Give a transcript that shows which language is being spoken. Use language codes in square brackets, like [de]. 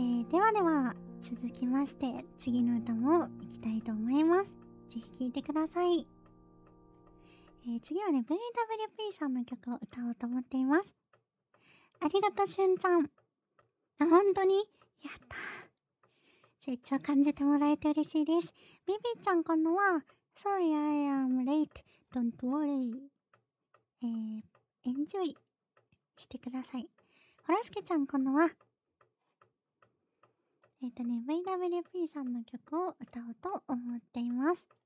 [ja] ではでは、続きまして次の歌もいきたいと思います。ぜひ聴いてください。次はね、 VWP さんの曲を歌おうと思っています。ありがとう、しゅんちゃん。あ、ほんとに、やった、成長感じてもらえて嬉しいです。ビビちゃん、このは [en] Sorry I am late, don't worry。 [ja] エンジョイしてください。ほらすけちゃん、このは VWP さんの曲を歌おうと思っています。